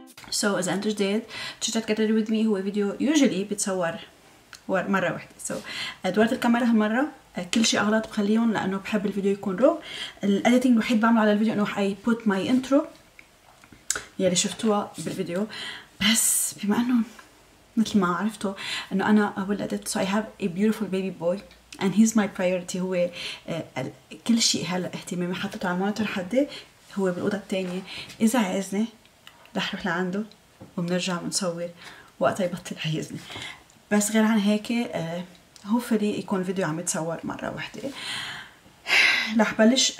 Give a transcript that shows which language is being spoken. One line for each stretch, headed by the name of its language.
Arabic: سو اذا انتم جديد، تشات كاتر ويز مي هو فيديو يوجوالي بتصور مره واحده. سو ادوار الكاميرا هالمره كل شيء اغلط بخليهم، لانه بحب الفيديو يكون رو. الايديتنج الوحيد بعمله على الفيديو انه
English: I put my intro
Arabic: يلي شفتوها بالفيديو. بس بما انه مثل ما عرفتوا انه انا ولدت،
English: so I have a beautiful baby boy and he's my priority.
Arabic: هو كل شيء هلا اهتمامي حطته على المونيتور حدي، هو بالاوضه الثانيه. اذا عايزني رح اروح لعنده وبنرجع بنصور وقتها يبطل عايزني. بس غير عن هيك هوفلي يكون الفيديو عم يتصور مره واحده. رح بلش.